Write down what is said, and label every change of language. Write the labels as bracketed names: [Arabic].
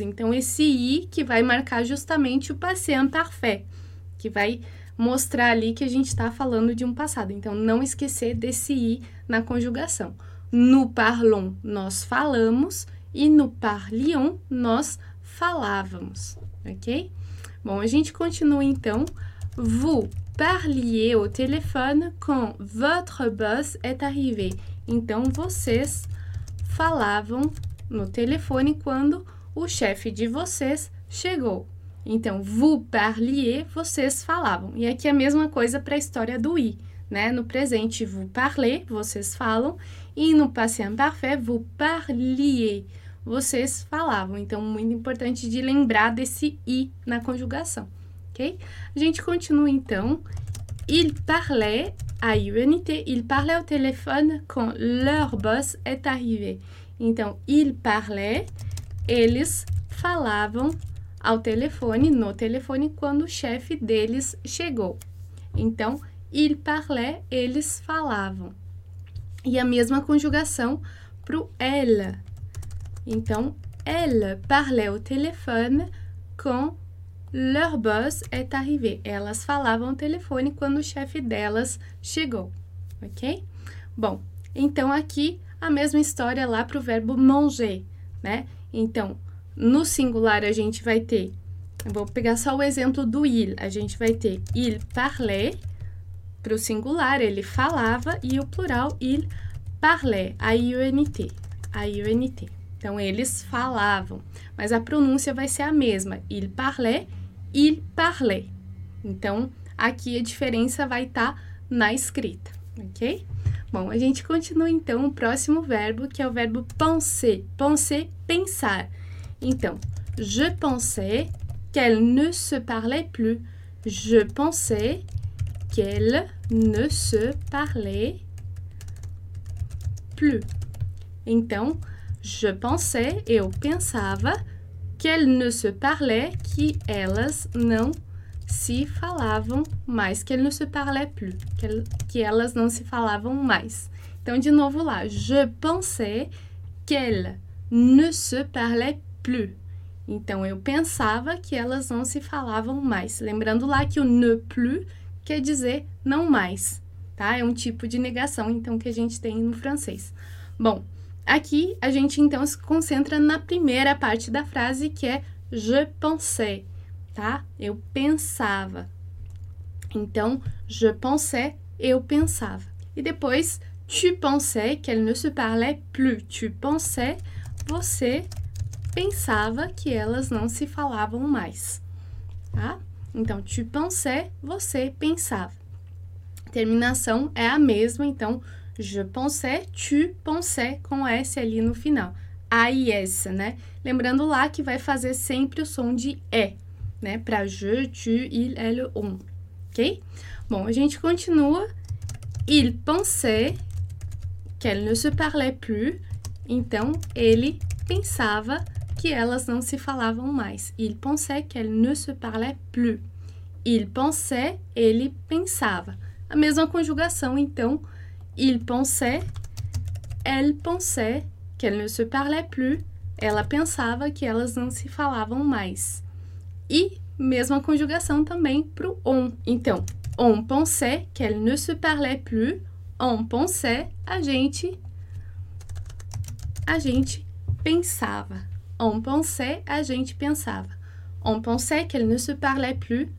[Portuguese] Então, esse i que vai marcar justamente o passé imparfait, que vai mostrar ali que a gente está falando de um passado. Então, não esquecer desse i na conjugação. [French] Nous parlons, [Portuguese] nós falamos, e [French] nous parlions, [Portuguese] nós falávamos, ok? Bom, a gente continua então. [French] Vous parliez au téléphone quand votre boss est arrivé. [Portuguese] Então, vocês falavam no telefone quando o chefe de vocês chegou. Então, [French] vous parliez, [Portuguese] vocês falavam. E aqui é a mesma coisa para a história do i, né? No presente, [French] vous parlez, [Portuguese] vocês falam. E no passé imparfait, [French] vous parliez, [Portuguese] vocês falavam. Então, muito importante de lembrar desse i na conjugação. Okay? A gente continua então. [French] Il parlait à l'unité, il parlait au téléphone quand leur boss est arrivé. [Portuguese] Então, [French] il parlait, [Portuguese] eles falavam ao telefone, no telefone, quando o chefe deles chegou. Então, [French] il parlait, [Portuguese] eles falavam. E a mesma conjugação para o elle. Então, [French] elle parlait au téléphone quand leur boss est arrivé. [Portuguese] Elas falavam ao telefone quando o chefe delas chegou, ok? Bom, então aqui a mesma história lá para o verbo manger, né? Então, no singular a gente vai ter, eu vou pegar só o exemplo do il, a gente vai ter [French] il parlait, [Portuguese] para o singular ele falava, e o plural il parlait, a-i-n-t. Então, eles falavam, mas a pronúncia vai ser a mesma, [French] il parlait. Il parlait. [Portuguese] Então, aqui a diferença vai estar na escrita, ok? Bom, a gente continua então o próximo verbo, que é o verbo penser. Penser, pensar. [French] Então, je pensais qu'elle ne se parlait plus. Je pensais qu'elle ne se parlait plus. [Portuguese] Então, [French] je pensais, [Portuguese] eu pensava, [French] qu'elle ne se parlait, [Portuguese] que elas não se falavam mais, [French] qu'elle ne se parlait plus, [Portuguese] que elas não se falavam mais. Então, de novo lá, [French] je pensais qu'elle ne se parlait plus. [Portuguese] Então, eu pensava que elas não se falavam mais. Lembrando lá que o ne plus quer dizer não mais, tá? É um tipo de negação, então, que a gente tem no francês. Bom, aqui a gente então se concentra na primeira parte da frase que é [French] je pensais, [Portuguese] tá? Eu pensava. Então, [French] je pensais, [Portuguese] eu pensava. E depois, [French] tu pensais qu'elle ne se parlait plus. Tu pensais, [Portuguese] você pensava que elas não se falavam mais, tá? Então, [French] tu pensais, [Portuguese] você pensava. Terminação é a mesma, então. [French] Je pensais, tu pensais, [Portuguese] com S ali no final. A-I-S, né? Lembrando lá que vai fazer sempre o som de E, né? Para [French] je, tu, il, elle, on. [Portuguese] Ok? Bom, a gente continua. [French] Il pensait qu'elle ne se parlait plus. [Portuguese] Então, ele pensava que elas não se falavam mais. [French] Il pensait qu'elle ne se parlait plus. Il pensait, [Portuguese] ele pensava. A mesma conjugação, então. [French] Il pensait, elle pensait qu'elle ne se parlait plus. [Portuguese] Ela pensava que elas não se falavam mais. E mesma conjugação também para o on. Então, [French] On pensait qu'elle ne se parlait plus. On pensait, [Portuguese] a gente pensava. [French] On pensait, [Portuguese] a gente pensava. [French] On pensait qu'elle ne se parlait plus.